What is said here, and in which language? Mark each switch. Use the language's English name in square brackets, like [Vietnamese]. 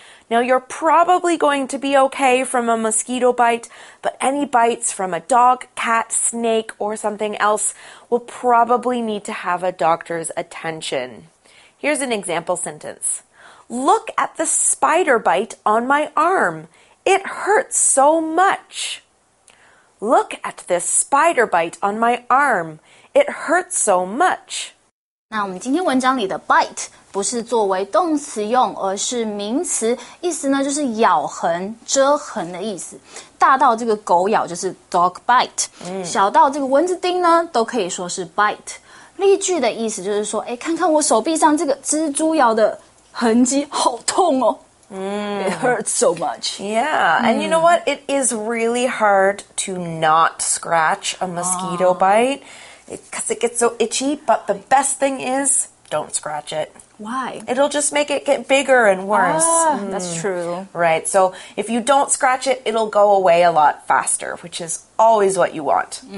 [English] Now, you're probably going to be okay from a mosquito bite, but any bites from a dog, cat, snake, or something else will probably need to have a doctor's attention. Here's an example sentence. Look at the spider bite on my arm. It hurts so much. Look at this spider bite on my arm. It hurts so much. [Chinese] 那我们今天文章里的 bite 不是作为动词用，而是名词，意思呢就是咬痕、蜇痕的意思。大到这个狗咬就是 dog bite，小到这个蚊子叮呢都可以说是 bite。例句的意思就是说，哎，看看我手臂上这个蜘蛛咬的痕迹，好痛哦。 [English] It hurts so much. Yeah, and you know what? It is really hard to not scratch a mosquito bite. Because it gets so itchy, but the best thing is, don't scratch it. Why? It'll just make it get bigger and worse. That's true. Right, so if you don't scratch it, it'll go away a lot faster, which is always what you want.